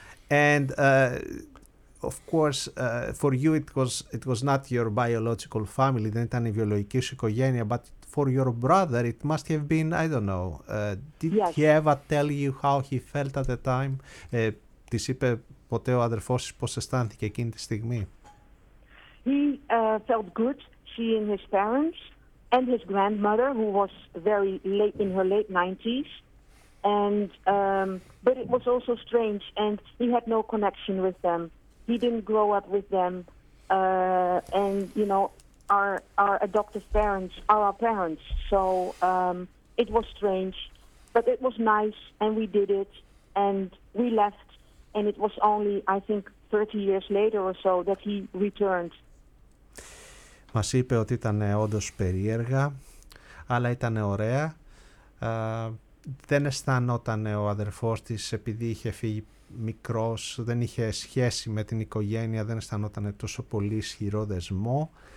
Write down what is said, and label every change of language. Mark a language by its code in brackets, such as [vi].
[en] And of course, for you it was not your biological family, [el] δεν ήταν η βιολογική σου οικογένεια, [en] but for your brother it must have been, I don't know, did he ever tell you how he felt at the time? [el] Της είπε ποτέ ο αδερφός της πώς αισθάνθηκε εκείνη τη στιγμή? [en] He felt good seeing his parents and his grandmother, who was very late in her late 90s, and but it was also strange, and he had no connection with them. He didn't grow up with them, and you know, our adoptive parents are our parents. So it was strange, but it was nice, and we did it, and we left. And it was only, I think, 30 years later or so that he returned. [el] Μας είπε ότι ήταν όντως περίεργα, αλλά ήταν ωραία. Δεν αισθανόταν ο αδερφός της, επειδή είχε φύγει μικρός, δεν είχε σχέση με την οικογένεια, δεν αισθανόταν τόσο πολύ ισχυρό δεσμό.